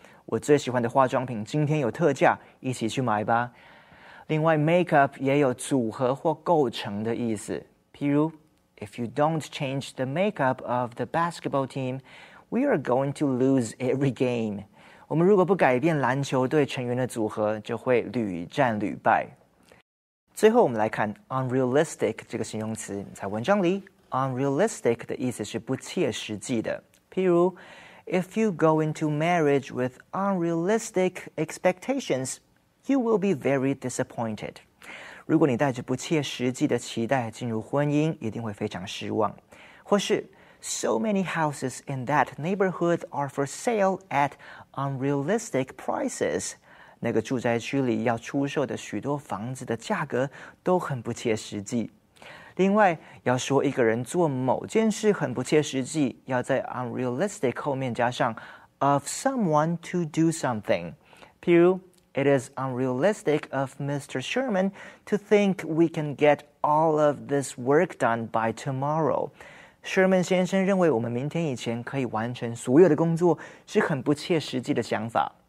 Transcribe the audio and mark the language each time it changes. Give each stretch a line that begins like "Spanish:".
Chinese: 我最喜欢的化妆品今天有特价，一起去买吧。另外 makeup 也有组合或构成的意思。譬如
English: If you don't change the makeup of the basketball team, we are going to lose every game.
Chinese: 我们如果不改变篮球队成员的组合，就会屡战屡败。最后，我们来看 unrealistic 这个形容词。在文章里 ，unrealistic 的意思是不切实际的。譬如
English: ，If you go into marriage with unrealistic expectations, you will be very disappointed.
Chinese: 如果你带着不切实际的期待进入婚姻，一定会非常失望。或是
English: ，So many houses in that neighborhood are for sale at unrealistic prices.
Chinese: 那个住宅区里要出售的许多房子的价格都很不切实际。另外，要说一个人做某件事很不切实际，要在 unrealistic 后面加上
English: of someone to do something.
Chinese: 譬如
English: It is unrealistic of Mr. Sherman to think we can get all of this work done by tomorrow.
Chinese: Sherman 先生认为我们明天以前可以完成所有的工作是很不切实际的想法。